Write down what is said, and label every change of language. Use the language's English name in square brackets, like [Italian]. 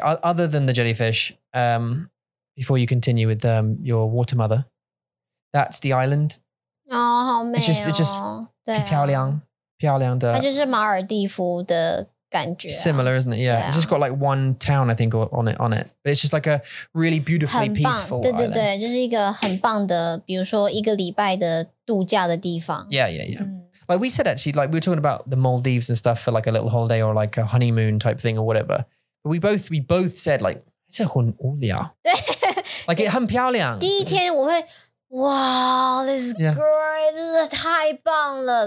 [English] Other than the jellyfish, before you continue with your water mother, that's the island. [Chinese] Oh, 好美哦。 [English] It's just [Chinese] 漂亮的。它就是马尔蒂夫的感觉啊, [English] similar, isn't it? Yeah. Yeah. It's just got like one town, I think, on it. But it's just like a really beautifully peaceful island. [Chinese] 对对对, 就是一个很棒的, 比如说一个礼拜的度假的地方。 [English] Yeah. Like we said, actually, like we were talking about the Maldives and stuff for like a little holiday or like a honeymoon type thing or whatever. But we both said like, it's a [Chinese] 很无聊. [English] Like it's [Chinese] 很漂亮. 第一天我会, [English] wow, this is great. This is [Chinese] 太棒了。